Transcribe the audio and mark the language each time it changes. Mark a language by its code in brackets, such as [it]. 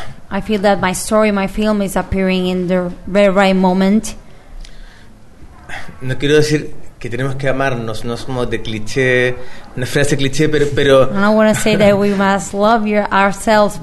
[en] I feel that my story, my film is appearing in the very right moment. [es] No quiero decir que tenemos que amarnos, no es como de cliché, una frase cliché, pero [en] I don't want to say that we must love ourselves,